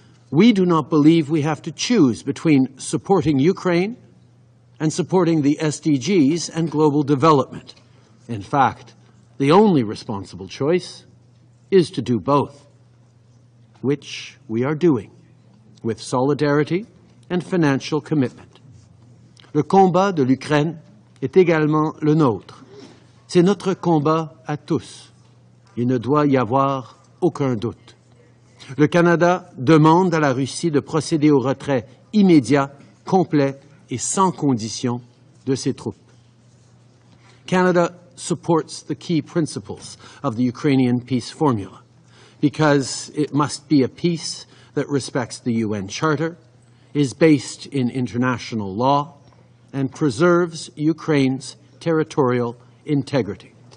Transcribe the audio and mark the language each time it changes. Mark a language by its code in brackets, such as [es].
[en] We do not believe we have to choose between supporting Ukraine and supporting the SDGs and global development. In fact, the only responsible choice is to do both, which we are doing with solidarity and financial commitment. [fr] Le combat de l'Ukraine est également le nôtre. C'est notre combat à tous. Il ne doit y avoir aucun doute. Le Canada demande à la Russie de procéder au retrait immédiat, complet et sans condition de ses troupes. [en] Canada supports the key principles of the Ukrainian peace formula, because it must be a peace that respects the UN Charter, is based in international law, and preserves Ukraine's territorial integrity.